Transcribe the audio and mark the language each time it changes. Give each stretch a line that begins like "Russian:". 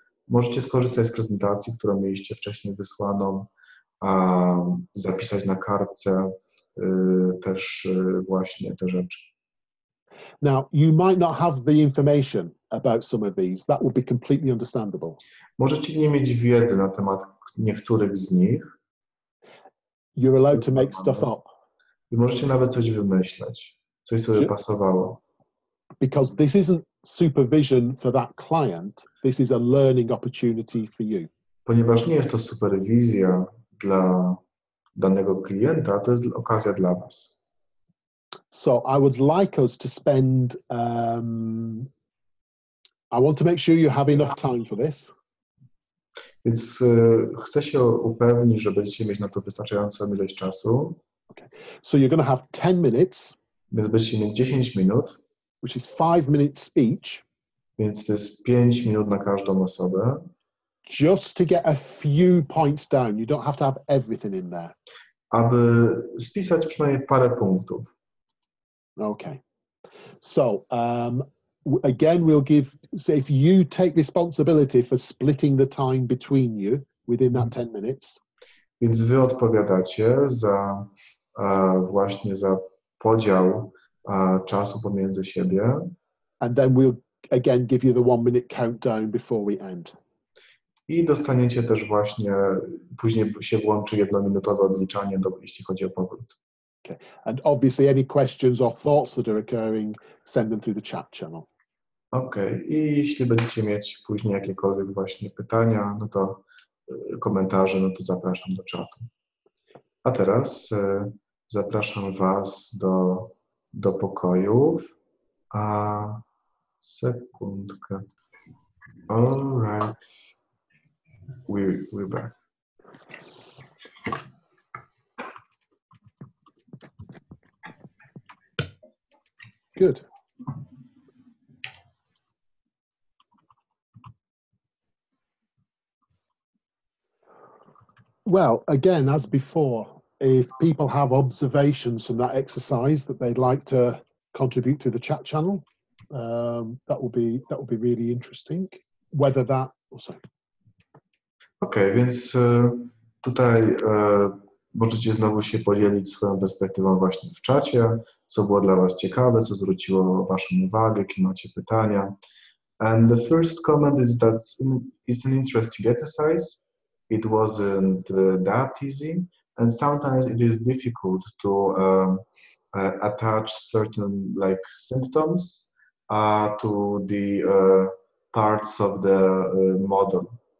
Polish: Możecie skorzystać z prezentacji, którą mieliście wcześniej wysłaną, zapisać na kartce też właśnie te rzeczy.
English: Now, you might not have the information about some of these. That would be completely understandable.
Polish: Możecie nie mieć wiedzy na temat niektórych z nich.
English: You're allowed to make stuff up.
Polish: I możecie nawet coś wymyślać, coś, co by pasowało.
English: Because this isn't supervision for that client, this is a learning opportunity for you.
Polish: Ponieważ nie jest to superwizja dla danego klienta, to jest okazja dla was.
English: So I would like us to spend, I want to make sure you have enough time for this.
Polish: Więc chcę się upewnić, że będziecie mieć na to wystarczającą ilość czasu.
English: Okay. So you're going to have 10 minutes.
Polish: Więc będziecie mieć 10 minut.
English: Which is 5 minutes each.
Polish: Więc to jest 5 minut na każdą osobę.
English: Just to get a few points down. You don't have to have everything in there.
Polish: Aby spisać przynajmniej parę punktów.
English: Okay. So, again, we'll give, so if you take responsibility for splitting the time between you within that 10 minutes.
Polish: Więc wy odpowiadacie za właśnie za podział czasu pomiędzy siebie.
English: And then we'll again give you the 1 minute countdown before we end.
Polish: I dostaniecie też właśnie, później się włączy jednominutowe odliczanie, jeśli chodzi o powrót.
English: Okay. And obviously any questions or thoughts that are occurring, send them through the chat channel. Okay.
Polish: I jeśli będziecie mieć później jakiekolwiek właśnie pytania, no to komentarze, no to zapraszam do czatu. A teraz zapraszam was do pokojów. A sekundkę.
English: All right. We're back. Good. Well, again, as before, if people have observations from that exercise that they'd like to contribute through the chat channel, that will be really interesting. Whether that also.
Polish: Okay, więc tutaj możecie znowu się podzielić swoją perspektywą właśnie w czacie, co było dla was ciekawe, co zwróciło waszą uwagę, jakie macie pytania.
English: And the first comment is that it's an interesting exercise. It wasn't that easy, and sometimes it is difficult to attach certain like symptoms to the parts of the model.